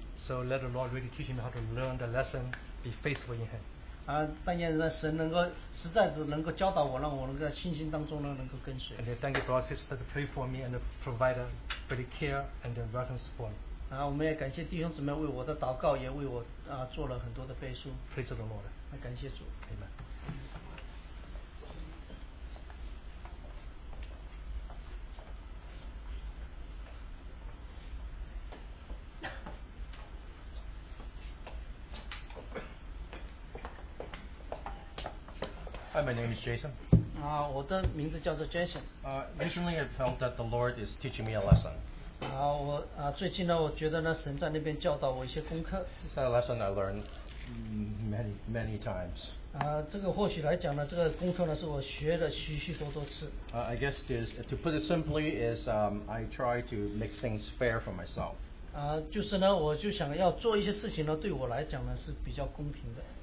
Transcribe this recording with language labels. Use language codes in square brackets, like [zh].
[en] So let the Lord really teach him how to learn the lesson, be faithful in him. [zh] 但愿神能够实在是能够教导我，让我能够在信心当中呢能够跟随。 [en] And thank you, brothers and sisters, to pray for me and to provide a very care and the reverence for me. [zh] 我们也感谢弟兄姊妹为我的祷告，也为我做了很多的背书。 [en] Praise the Lord. [zh] 感谢主。 [en] Amen. Hi, my name is Jason. [zh] 我的名字叫做Jason. [en] Recently, I felt that the Lord is teaching me a lesson. [zh] 我最近呢，我觉得呢，神在那边教导我一些功课。 [en] It's a lesson I learned many, many times. [zh] 这个或许来讲呢，这个功课呢，是我学的许许多多次。 [en] I guess this, to put it simply, is I try to make things fair for myself. [zh] 就是呢，我就想要做一些事情呢，对我来讲呢，是比较公平的。